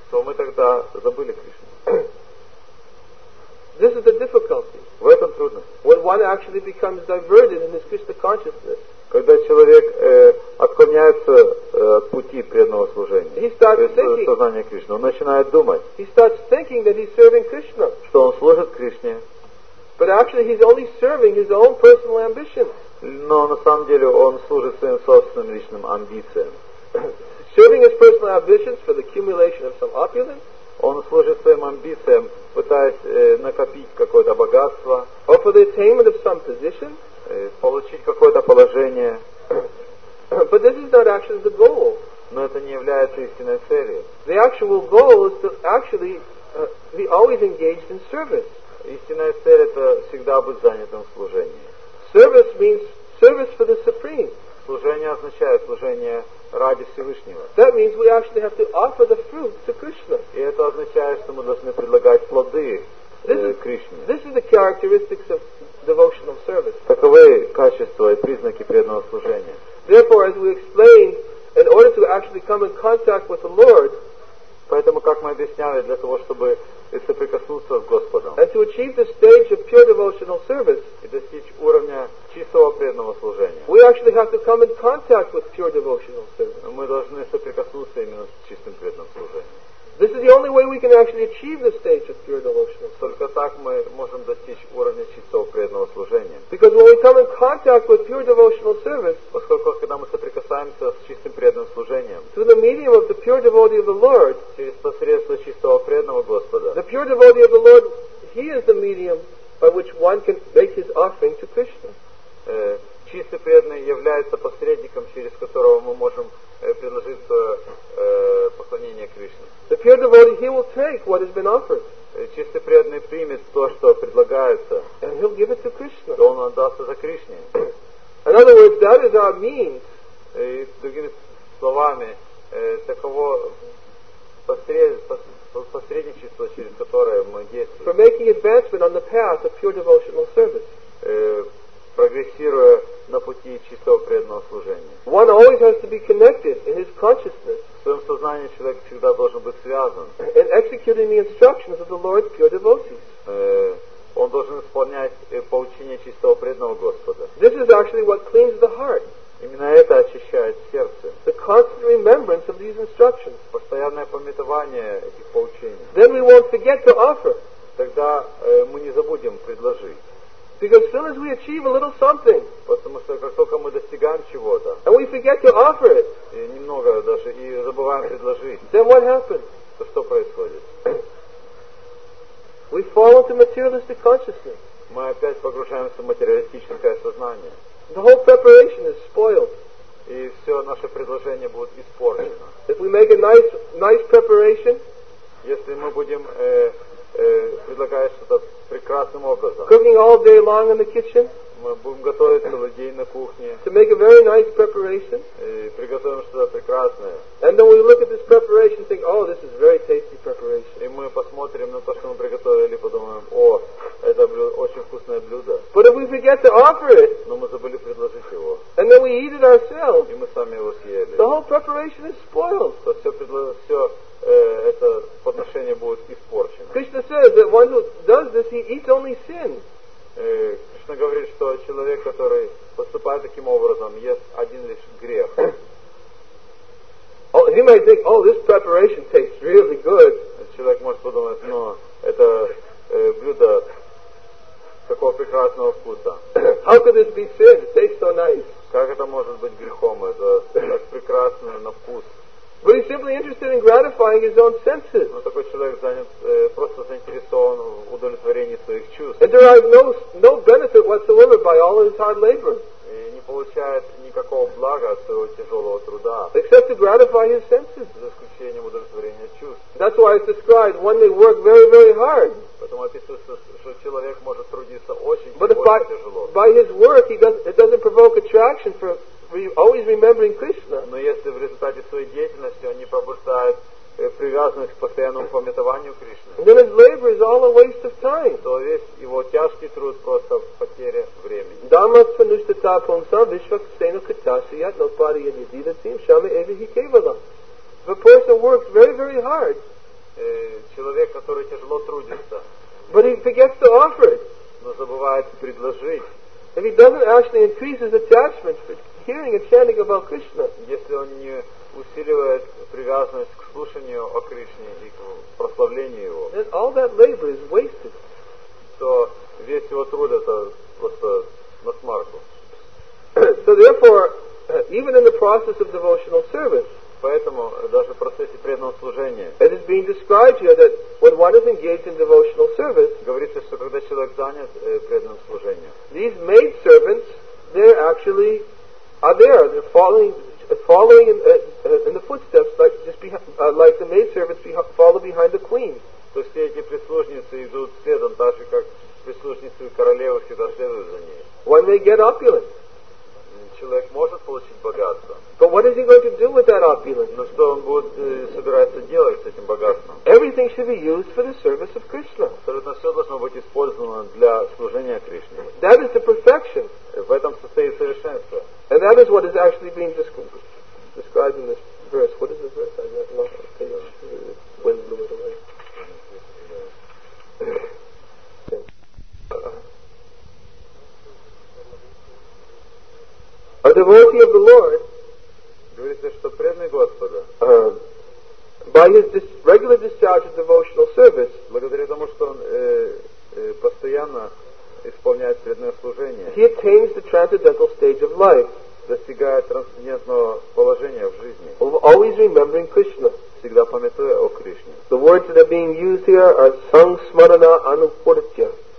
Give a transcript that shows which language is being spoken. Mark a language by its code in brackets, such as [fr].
[ru] То мы тогда забыли Кришну. [en] This is the difficulty. [ru] В этом трудность. [en] When one actually becomes diverted in his Krishna consciousness. [ru] Когда человек отклоняется от пути преданного служения, сознания Кришны, он начинает думать, [en] he starts thinking that he's serving Krishna. [ru] Что он служит Кришне. [en] But actually he's only serving his own personal ambition. [ru] Но на самом деле он служит своим собственным личным амбициям. [en] Serving his personal ambitions for the accumulation of some opulence. [ru] Он служит своим амбициям, пытаясь накопить какое-то богатство. [en] Or for the attainment of some position. [ru] Получить какое-то положение. [en] But this is not actually the goal. [ru] Но это не является истинной целью. [en] The actual goal is to actually be always engaged in service. [ru] Истинная цель это всегда быть занятым в служении. [en] Service means service for the Supreme. [ru] Служение означает служение ради Всевышнего. [en] That means we actually have to offer the fruit to Krishna. [ru] И это означает, что мы должны предлагать плоды Кришне. [en] This is the characteristics of devotional service. [ru] Таковы качества и признаки преданного служения. [en] Therefore, as we explained, in order to actually come in contact with the Lord, [ru] поэтому, как мы объясняли, для того, чтобы соприкоснуться с Господом, [en] and to achieve the stage of pure devotional service, [ru] и достичь уровня чистого преданного служения, [en] we actually have to come in contact with pure devotional service. [ru] Мы должны соприкоснуться именно с чистым преданным служением. [en] This is the only way we can actually achieve the stage of pure devotional service. [ru] Только так мы можем достичь уровня чистого преданного служения. [en] Because when we come in contact with pure devotional service, [ru] поскольку когда мы соприкасаемся с чистым преданным служением, [en] through the medium of the pure devotee of the Lord, [ru] через посредство чистого преданного Господа, [en] the pure devotee of the Lord, he is the medium by which one can make his offering to Krishna. [ru] Чистый преданный является посредником, через которого мы можем предложить свое [en] take what has been offered. [ru] Чистый преданный примет то, что предлагается. [en] And he'll give it to Krishna. [ru] То он отдастся за Кришне. [en] In other words, that is our means. [ru] И другими словами, таково посредничество, через которое мы действуем. [en] For making advancement on the path of pure devotional service. [ru] Прогрессируя на пути чистого преданного служения. [en] One always has to be connected in his consciousness. [ru] В своем сознании человек всегда должен быть связан. [en] And executing the instructions of the Lord's pure devotees. [ru] Он должен исполнять поучение чистого преданного Господа. [en] This is actually what cleans the heart. [ru] Именно это очищает сердце. [en] The constant remembrance of these instructions. [ru] Постоянное памятование этих поучений. [en] Then we won't forget to offer. [ru] Тогда мы не забудем предложить. [en] Because as soon as we achieve a little something, [ru] потому что как только мы достигаем чего-то, [en] and we forget to offer it, [ru] и немного даже и забываем предложить, [en] then what happens? [ru] То что происходит? [en] We fall into materialistic consciousness. [ru] Мы опять погружаемся в материалистическое сознание. [en] The whole preparation is spoiled. [ru] И все наше предложение будет испорчено. [en] If we make a nice preparation, [ru] если мы будем предлагать что-то прекрасным образом. [en] Cooking all day long in the kitchen. [ru] Мы будем готовить целый день на кухне. [en] To make a very nice preparation. [ru] И приготовим что-то прекрасное. [en] And then we look at this preparation and think, oh, this is very tasty preparation. [ru] И мы посмотрим на то, что мы приготовили, и подумаем, о, это очень вкусное блюдо. [en] But if we forget to offer it. [ru] Но мы забыли предложить его. [en] And then we eat it ourselves. [ru] И мы сами его съели. [en] The whole preparation is spoiled. [ru] То все предложение, это подношение будет испорчено. [en] Krishna says that one who does this, he eats only sin. [ru] Кришна говорит, что человек, который поступает таким образом, ест один лишь грех. [en] Oh, he may think, oh, this preparation tastes really good. [ru] Человек может подумать, но это блюдо такого прекрасного вкуса. [en] How could this be sin? It tastes so nice. [ru] Как это может быть грехом? Это так прекрасно на вкус. [en] But he's simply interested in gratifying his own senses. [ru] Но такой человек занят, просто заинтересован в удовлетворении своих чувств. [en] And derives no benefit whatsoever by all his hard labor. [ru] И не получает никакого блага от своего тяжелого труда. [en] Except to gratify his senses. [ru] За исключением удовлетворения чувств. [en] That's why it's described one may work very, very hard. [ru] Потому описывается, что человек может трудиться очень, [en] but [ru] очень тяжело. [en] But by his work, it doesn't provoke attraction for. Always remembering Krishna. [ru] Но если в результате своей деятельности он не пробуждает привязанность к постоянному памятованию Кришны, [en] then his labor is all a waste of time. [ru] То весь его тяжкий труд просто потеря времени. [sa] Dharma panushtata pungsa vishvaksena katasya no pariya nidida tim shame evi hikevala. [en] The person works very, very hard. [ru] Человек, который тяжело трудится, [en] but he forgets to offer it. [ru] Но забывает предложить. [en] If he doesn't actually increase his attachment for hearing and chanting about Krishna, [ru] если он не усиливает привязанность к слушанию о Кришне и к прославлению его, [en] then all that labor is wasted. [ru] То весь его труд это просто насмарку. [en] So therefore, even in the process of devotional service, [ru] поэтому даже в процессе преданного служения, [en] it is being described here that when one is engaged in devotional service, [ru] говорится, что когда человек занят преданным служением, [en] these maid servants, they're actually are there, they're following in the footsteps, like just like the maid servants follow behind the queen. [ru] То есть эти прислужницы идут следом, так же как прислужницы королевы всегда следуют за ней. [en] When they get opulent, [ru] человек может получить богатство. [en] But what is he going to do with that opulence? [ru] Но что он будет собираться делать с этим богатством? [en] Everything should be used for the service of Krishna. [ru] Абсолютно все должно быть использовано для служения Кришне. [en] That is the perfection. [ru] В этом состоит совершенство. [en] And that is what is actually being described in this verse. What is the verse? I got lost. The wind blew it away. A devotee of the Lord, [ru] говорится, что преданный Господа, [en] by his regular discharge of devotional service, [ru] благодаря тому, что он постоянно исполняет преданное служение, [en] he attains the transcendental stage of life, [ru] достигает трансцендентного положения в жизни, [en] always remembering Krishna, [ru] всегда памятуя о Кришне. [en] The words that are being used here are [sa] sang smarana anupurtya.